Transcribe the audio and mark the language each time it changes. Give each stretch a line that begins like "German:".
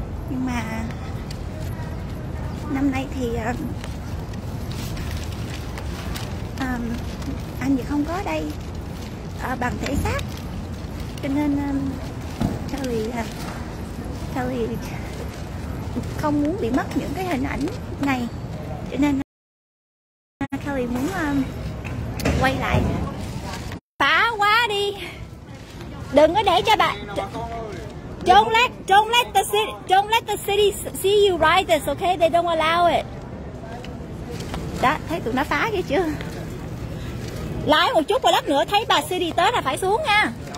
Vietnamese: Nhưng mà năm nay thì anh thì không có đây bằng thể xác, cho nên Kelly không muốn bị mất những cái hình ảnh này, cho nên Kelly muốn quay lại. Phá quá đi, đừng có để cho bạn.
English: Don't let the city see you ride this, okay? They don't allow it.
Vietnamese: Đó, thấy tụi nó phá kìa chưa? Lái một chút và lát nữa thấy bà city tới là phải xuống nha.